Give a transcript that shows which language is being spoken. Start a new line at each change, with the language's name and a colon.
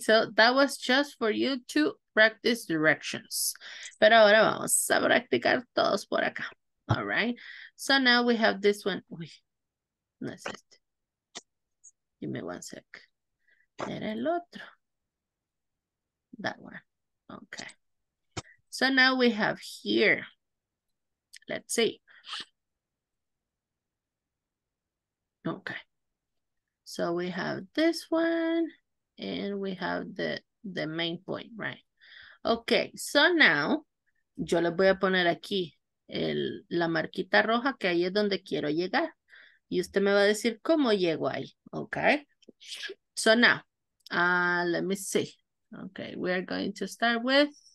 English: So that was just for you to practice directions.
Spanish: Pero ahora vamos a practicar todos por acá.
English: All right. So now we have this one.
Spanish: Uy, no es este.
English: Give me one sec.
Spanish: Era el otro.
English: That one. Okay. So now we have here. Let's see. Okay. So we have this one and we have the main point, right? Okay. So now
Spanish: yo le voy a poner aquí. La marquita roja que ahí es donde quiero llegar. y usted me va a decir cómo llego ahí, okay?
English: So now, let me see. Okay, we are going to start with.